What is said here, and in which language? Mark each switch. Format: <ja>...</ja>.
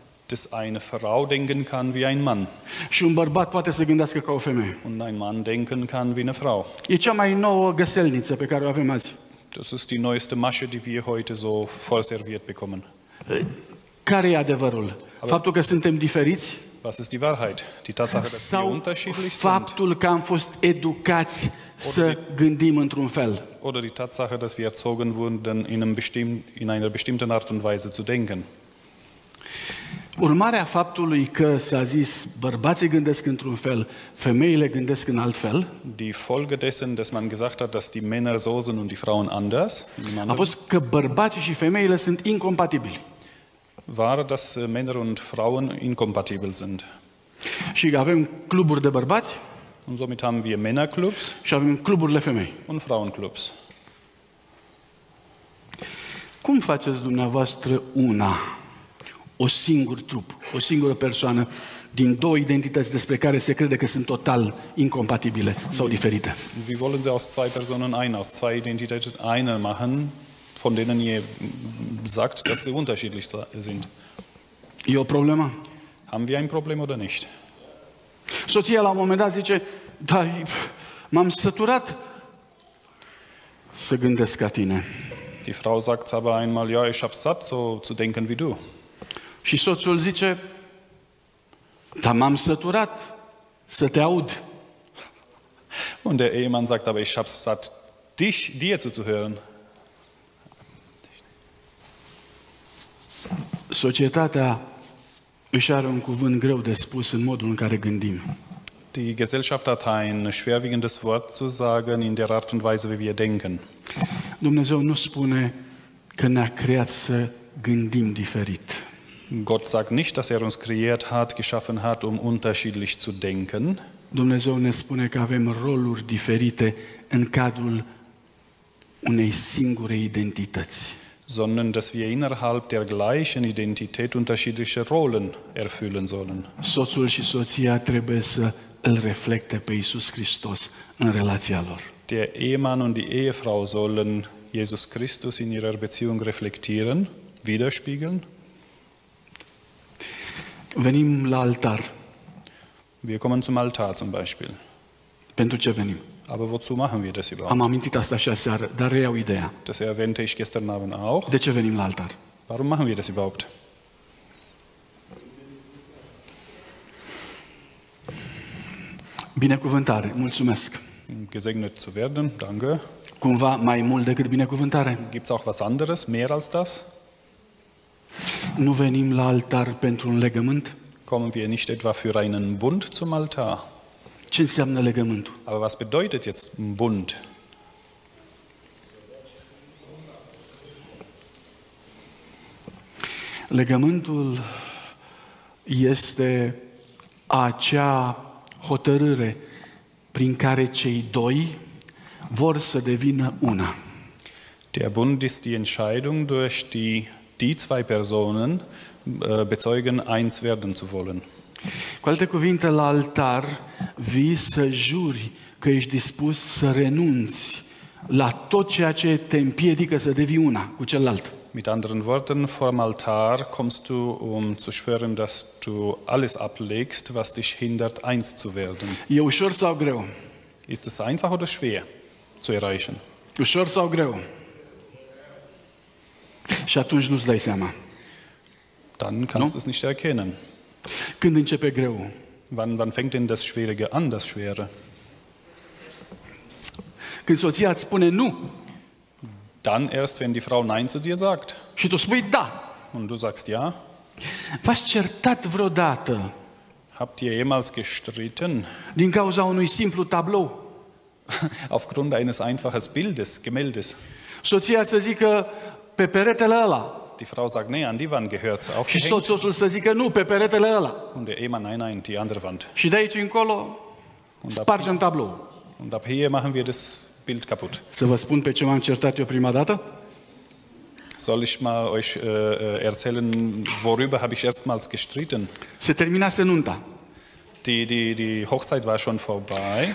<de>Dass eine Frau denken kann wie ein Mann.</de> <ro>Și un bărbat poate să gândească ca o femeie.</ro> <de>Und ein Mann denken kann wie eine Frau.</de> <ro>E cea mai nouă găselniță pe care o avem azi.</ro> <de>Das ist die neueste Masche, die wir heute so vorserviert bekommen.</de> <ro>Care e adevărul? Faptul că suntem diferiți?</ro> <de>Was ist die Wahrheit? Die Tatsache, dass wir unterschiedlich sind?</de> <ro>Faptul că am fost educați să gândim într-un fel?</ro> <de>Oder die Tatsache, dass wir erzogen wurden, in einer bestimmten Art und Weise zu denken?</de> <ro>Urmarea faptului că s-a zis bărbații gândesc într-un fel, femeile gândesc în alt fel,</ro> <de>die Folge dessen, dass man gesagt hat, dass die Männer so sind und die Frauen anders,</de> <ro>a fost că bărbații și femeile sunt incompatibili.</ro> <de>War, dass Männer und Frauen incompatibil sind.</de> <ro>Și avem cluburi de bărbați,</ro> <de>und somit haben wir Männerclubs,</de> <ro>și avem cluburile femei,</ro> <de>und Frauenclubs.</de> <ro>Cum faceți dumneavoastră una? O singur trup, o singură persoană din două identități despre care se crede că sunt total incompatibile sau diferite.</ro> <de>Wie wollen Sie aus zwei Personen eine, aus zwei Identitäten eine machen, von denen ihr sagt, dass sie unterschiedlich sind?</de> <ro>E o problemă?</ro> <de>Haben wir ein Problem oder nicht?</de> <ro>Soția la un moment dat zice, da, m-am săturat să gândesc ca tine.</ro> <de>Die Frau sagt aber einmal, ja, ich hab satt, so zu denken wie du.</de> <ro>Și soțul zice, dar m-am săturat să te aud.</ro> <de>Und der Ehemann sagt, aber ich hab's satt, dich, dir zuzuhören.</de> <ro>Societatea își are un cuvânt greu de spus în modul în care gândim.</ro> <de>Die Gesellschaft hat ein schwerwiegendes Wort zu sagen in der Art und Weise, wie wir denken.</de> <ro>Dumnezeu nu spune că ne-a creat să gândim diferit.</ro> <de>Gott sagt nicht, dass uns kreiert hat, geschaffen hat, unterschiedlich zu denken.</de> <ro>Dumnezeu ne spune că avem roluri diferite în cadrul unei singure identități.</ro> <de>Sondern dass wir innerhalb der gleichen Identität unterschiedliche Rollen erfüllen sollen.</de> <ro>Soțul și soția trebuie să îl reflecte pe Iisus Hristos în relația lor.</ro> <de>Der Ehemann und die Ehefrau sollen Jesus Christus in ihrer Beziehung reflektieren, widerspiegeln.</de> <ro>Venim la altar.</ro> <de>Wir kommen zum Altar zum Beispiel.</de> <ro>Pentru ce venim?</ro> <de>Aber wozu machen wir das überhaupt?</de> <ro>Am amintit asta și aseară, dar reiau ideea.</ro> <de>Das erwähnte ich gestern Abend auch.</de> <ro>De ce venim la altar?</ro> <de>Warum machen wir das überhaupt?</de> <ro>Binecuvântare, mulțumesc.</ro> <de>Gesegnet zu werden, danke.</de> <ro>Cumva mai mult decât binecuvântare?</ro> <de>Gibt's auch was anderes, mehr als das?</de> <ro>Nu venim la altar pentru un legământ?</ro> <de>Kommen wir nicht etwa für einen Bund zum Altar?</de> <ro>Ce înseamnă legământul?</ro> <de>Aber was bedeutet jetzt Bund?</de> <ro>Legământul este acea hotărâre prin care cei doi vor să devină una.</ro> <de>Der Bund ist die Entscheidung, durch die die zwei Personen bezeugen, eins werden zu wollen.</de> <ro>Cu alte cuvinte, la altar vii să juri că ești dispus să renunți la tot ceea ce te împiedică să devii una cu celălalt.</ro> <de>Mit anderen Worten, vorm Altar kommst du, zu schwören, dass du alles ablegst, was dich hindert, eins zu werden.</de> <ro>E ușor sau greu?</ro> <de>Ist es einfach oder schwer zu erreichen?</de> <ro>Ușor sau greu? Și atunci nu-ți dai seama.</ro> <de>Dann kannst du es nicht erkennen.</de> <ro>Când începe greu?</ro> <de>Wann fängt denn das Schwierige an, das Schwere?</de> <ro>Când soția îți spune nu.</ro> <de>Dann erst, wenn die Frau nein zu dir sagt.</de> <ro>Și tu spui da.</ro> <de>Und du sagst ja.</de> <ro>V-ați certat vreodată?</ro> <de>Habt ihr jemals gestritten?</de> <ro>Din cauza unui simplu tablou.</ro> <de>Aufgrund eines einfaches Bildes, Gemäldes.</de> <ro>Soția să zică pe peretele ăla.</ro> <de>Die Frau sagt, nee, an die Wand gehört's aufgehängt.</de> <ro>Și soțul să zică, nu, pe peretele ăla.</ro> <de>Und der Ehemann, nein, nein, die andere Wand.</de> <ro>Și de aici încolo, spargem tablou.</ro> <de>Und ab hier machen wir das Bild kaputt.</de> <ro>Să vă spun pe ce m-am certat eu prima dată?</ro> <de>Soll ich mal euch erzählen, worüber habe ich erstmals gestritten?</de> <ro>Se terminase nunta.</ro> <de>Die Hochzeit war schon vorbei.</de>